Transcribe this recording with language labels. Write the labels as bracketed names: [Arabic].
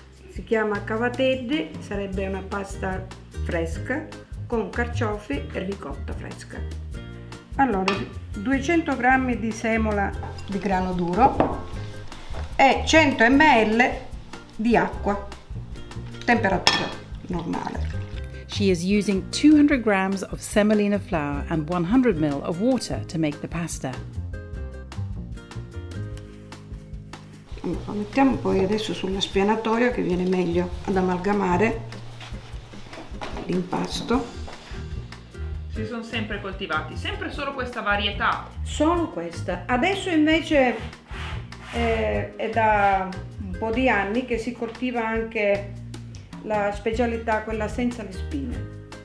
[Italian] Si chiama cavatelle, sarebbe una pasta fresca con carciofi e ricotta fresca. Allora, 200 g di semola di grano duro e 100 ml di acqua, temperatura normale. [English] She is using 200 grams of semolina flour and 100 ml of water to make the pasta. [Italian] Lo mettiamo poi adesso sulla spianatoia che viene meglio ad amalgamare l'impasto. Si sono sempre coltivati, sempre solo questa varietà? Solo questa. Adesso invece è da un po' di anni che si coltiva anche la specialità, quella senza le spine.